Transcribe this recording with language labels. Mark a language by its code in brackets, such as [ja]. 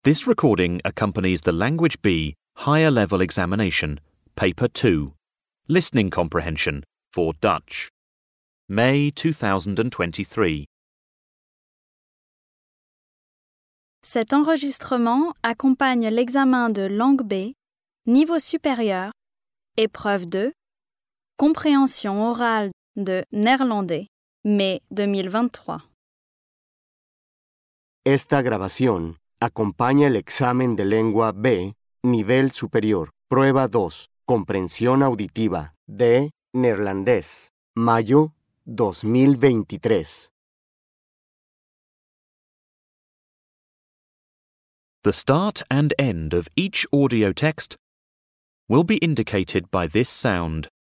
[en] This recording accompanies the Language B Higher Level Examination, Paper 2, Listening Comprehension for Dutch, May 2023. [fr] Cet enregistrement accompagne l'examen de Langue B, Niveau Supérieur, Épreuve 2, Compréhension Orale de Néerlandais, [en] May 2023. [es] Esta grabación acompaña el examen de lengua B, nivel superior, prueba 2, comprensión auditiva, de neerlandés, mayo 2023. [en] The start and end of each audio text will be indicated by this sound.